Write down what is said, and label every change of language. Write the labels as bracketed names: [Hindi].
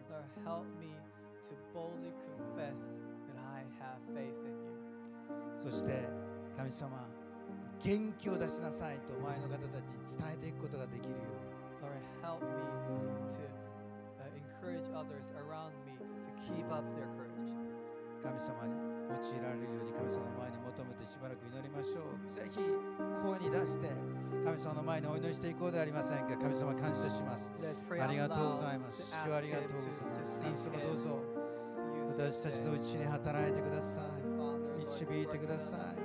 [English] Lord, help me to boldly confess that I have faith in you. [Japanese] そして神様、元気を出しなさいと前の方たちに伝えていくことができるように。 [English] Lord, help me to encourage others around me to keep up their courage. [Japanese] 神様に用いられるように神様の前に求めてしばらく祈りましょう。ぜひ声に出して神様の前にお祈りしていこうではありませんか。神様、感謝します。ありがとうございます。主、ありがとうございます。神様、どうぞ私たちのうちに働いてください、導いてください。